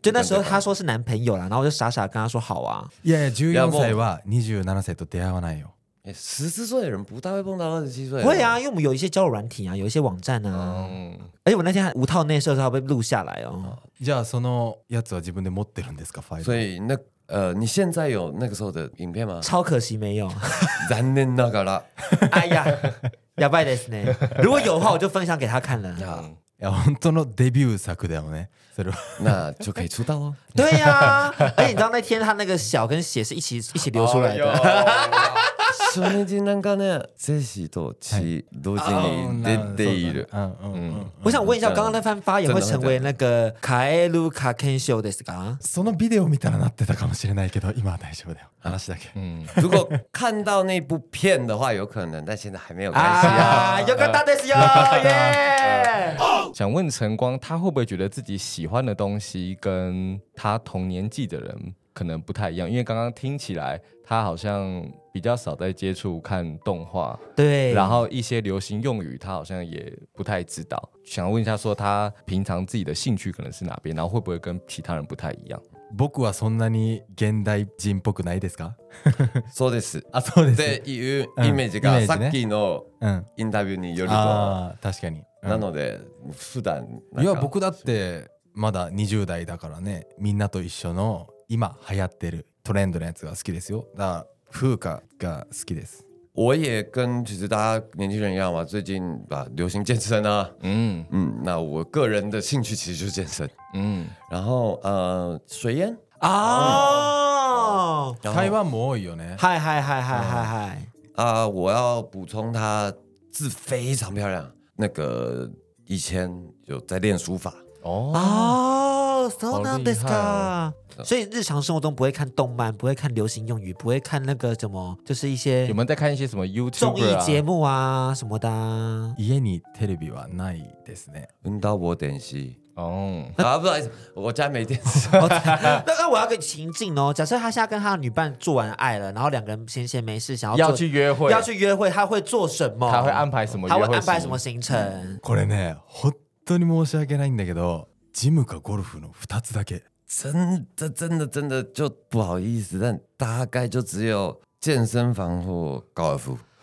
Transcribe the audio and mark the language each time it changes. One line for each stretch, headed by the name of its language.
Chinese: 就那时候他说是男朋友啦，然后我就傻傻跟他说好啊。
Japanese: いやいや、14歳は27歳と出会わないよ。
Chinese: 十四岁的人不大会碰到27岁。会啊，因为我们有一些交友软体啊，有一些网站啊。而且我那天还无套内射的时候被录下来哦。
Japanese: じゃあそのやつは自分で持ってるんですか？ファイル。
Chinese: 所以那你现在有那个时候的影片吗？超可惜没有。
Japanese: 残念ながら。哎呀，やばいですね。
Chinese: 如果有的话，我就分享给他看了。
Japanese: いや本当のデビュー作だよね。それは。
Chinese: 那就可以出道哦。对呀、啊，而且你知道那天他那个小跟血是一起流出来的。
Japanese: 初日なんかね、精子と血同時に出ている。
Chinese: 我想问一下，刚刚那番发言会成为那个
Japanese: カエルカケンショーですか？そのビデオ見たらなってたかもしれないけど、今は大丈夫だよ。話だけ。
Chinese: 如果看到那部片的话，有可能，但现在还没有关系啊。
Japanese: よかったですよ。耶。
Chinese: 想问晨光，他会不会觉得自己喜欢的东西跟他同年纪的人可能不太一样？因为刚刚听起来，他好像比较少在接触看动画，对，然后一些流行用语他好像也不太知道。想问一下，说他平常自己的兴趣可能是哪边，然后会不会跟其他人不太一样？
Japanese: 僕はそんなに現代人っぽくないですか？そうです。あ、そうです。っていうイメージが、うん、さっきのインタビューによると、あ、確かに。なので普段なんか、いや僕だってまだ20代だからね、みんなと一緒の今流行ってるトレンドのやつが好きですよ。だから風化が好きです。
Chinese: 我也跟其实大家年轻人一样嘛，最近把流行健身啊，那我个人的兴趣其实就是健身，然后水烟啊，
Japanese: 台湾も多いよね。嗨嗨嗨嗨嗨嗨，
Chinese: 我要补充，他字非常漂亮。那个以前有在练书法哦，啊，
Japanese: そうなんですか。
Chinese: 所以日常生活中不会看动漫，不会看流行用语，不会看那个什么，就是一些有没有在看一些什么 YouTube 综艺节目啊什么的、啊？
Japanese: 家にテレビはないですね。
Chinese: 運動我電視哦，不好意思，我家没电视。那我要给情境哦，假设他现在跟他的女伴做完爱了，然后两个人闲闲没事，想要要去约会，要去约会，他会做什么？他会安排什么？他会安排什么行程？
Japanese: これね、本当に申し訳ないんだけど、ジムかゴルフの二つだけ。
Chinese: 真的就不好意思，但大概就只有健身房或高尔夫。